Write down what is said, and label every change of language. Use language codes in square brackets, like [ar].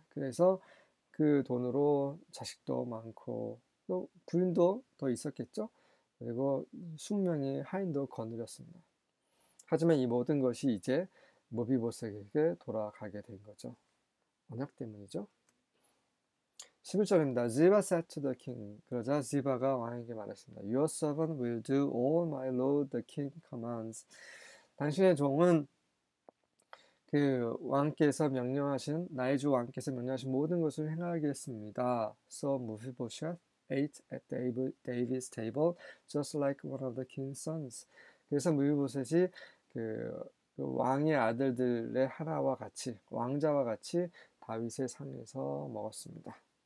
[ko] 그래서 그 돈으로 자식도 많고 또 부인도 더 있었겠죠. 그리고 20명의 하인도 거느렸습니다. 하지만 이 모든 것이 이제 므위보셋에게 돌아가게 된 거죠. 언약 때문이죠. 11절입니다. [en] Ziba said to the king. [ko] 그러자 지바가 왕에게 말했습니다. [en] Your servant will do all my lord the king commands. [ko] 당신의 종은 그 왕께서 명령하신 나의 주 왕께서 명령하신 모든 것을 행하겠습니다. [en] So Mephibosheth ate at David's table just like one of the king's sons. [ko] 그래서 므위보셋이 그 왕의 아들들의 하나와 같이 왕자와 같이 다윗의 상에서 먹었습니다.